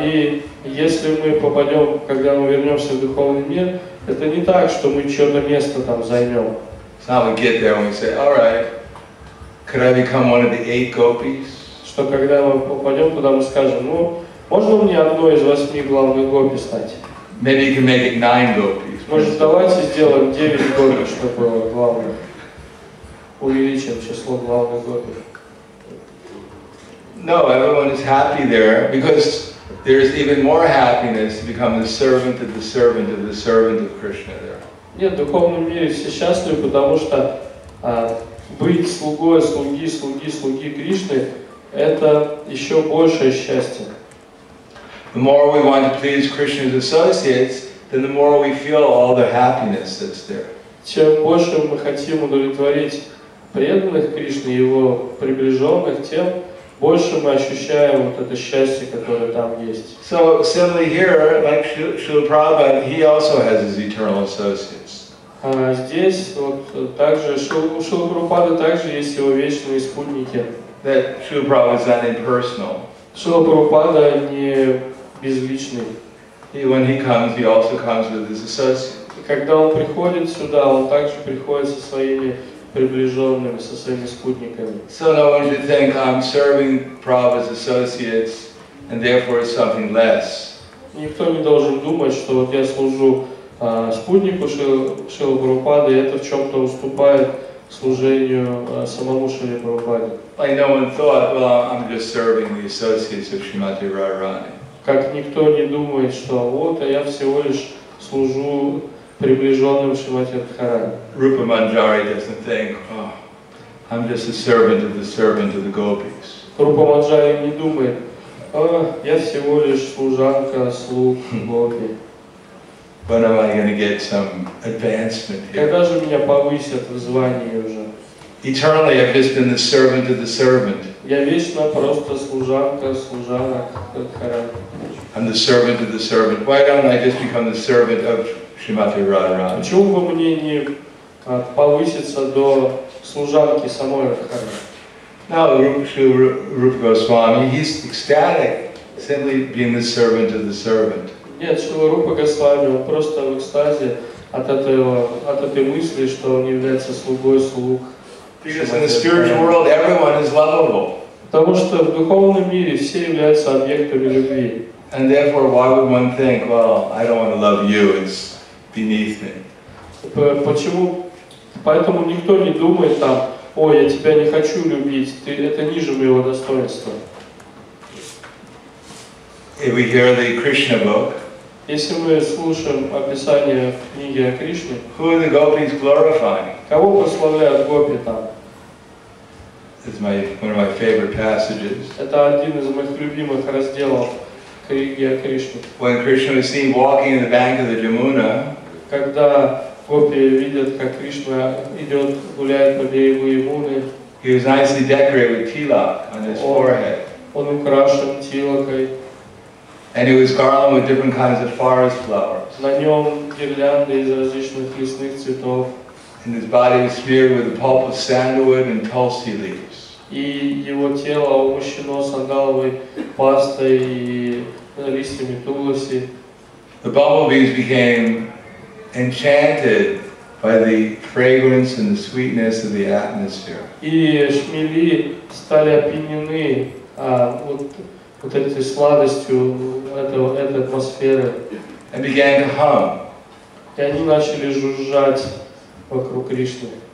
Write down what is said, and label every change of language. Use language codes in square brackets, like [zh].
[ru] И если мы попадем, когда мы вернемся в духовный мир, это не так, что мы чье-то место там займем. [en] So we get there and we say, all right, could I become one of the eight gopis? [ru] Что когда мы попадем туда, мы скажем, ну, можно мне одной из восьми главных гопи стать? [en] Maybe you can make it nine gopis. [ru] Может, давайте сделаем девять гопи, чтобы главных увеличим число главных гопи. [en] No, everyone is happy there because there is even more happiness to become the servant of the servant of the servant of Krishna there. [ru] Нет, в духовном мире все счастливы, потому что быть слугой слуги Кришны — это еще большее счастье. [en] The more we want to please Krishna's associates, then the more we feel all the happiness that's there. [ru] Чем больше мы хотим удовлетворить преданных Кришны, его приближенных, тем больше мы ощущаем вот это счастье, которое там есть. [en] So similarly here, like Srila Prabhupada, he also has his eternal associates. [ru] Здесь вот также у Шрилы Прабхупады также есть его вечные спутники. [en] That Srila Prabhupada is not impersonal. [ru] Шрила Прабхупада не безличный. [en] He, when he comes, he also comes with his associates. [ru] И когда он приходит сюда, он также приходит со своими приближенными, со своими спутниками. [en] So no one should think I'm serving Prabhupada's associates and therefore it's something less. [ru] Никто не должен думать, что вот я служу спутнику Шрилы Прабхупады, и это в чем-то уступает служению самому Шриле Прабхупаде. [en] Like no one thought, well, I'm just serving the associates of Shrimati Radharani. [ru] Как никто не думает, что вот, а я всего лишь служу приближенным Шримати Радхарани. [en] Rupa Manjari doesn't think, oh, I'm just a servant of the servant of the gopis. [ru] Rupa Manjari не думает, я всего лишь служанка слуг гопи. [en] When am I going to get some advancement here? [ru] Когда же меня повысят в звании уже? [en] Eternally, I've just been the servant of the servant. [ru] Я вечно просто служанка служанок Радхарани. [en] I'm the servant of the servant. Why don't I just become the servant of Шримати Радхарани? [ru] Почему бы мне не повыситься до служанки самой Радхарани? [en] Now, Rupa Goswami, he's ecstatic, simply being the servant of the servant. [ru] Нет, Шрила Рупа Госвами, он просто в экстазе от этой мысли, что он является слугой слуг. [en] Because in the spiritual world, everyone is lovable. [ru] Потому что в духовном мире все являются объектами любви. [en] And therefore, why would one think, well, I don't want to love you, it's beneath me. [ru] Почему? Поэтому никто не думает там, ой, я тебя не хочу любить, ты, это ниже моего достоинства. [en] If we hear the Krishna book, [ru] если мы слушаем описание в книге о Кришне, [en] who are the gopis glorifying? [ru] Кого прославляют гопи там? [en] It's my, one of my favorite passages. [ru] Это один из моих любимых разделов книги о Кришне. [en] When Krishna is seen walking in the bank of the Yamuna, [ru] когда гопи видят, как Кришна идет, гуляет по берегу Ямуны, [en] he was nicely decorated with tilak on his forehead. [ru] Он украшен тилакой. [en] And he was garlanded with different kinds of forest flowers. [ru] На нем гирлянды из различных лесных цветов. [en] And his body was smeared with a pulp of sandalwood and tulsi leaves. [ru] И его тело умощено сандаловой пастой и листьями тулоси. [en] The bumblebees became enchanted by the fragrance and the sweetness of the atmosphere. [ru] И шмели стали опьянены вот этой сладостью этой атмосферы. [en] And began to hum. [ru] И они начали жужжать вокруг Кришны.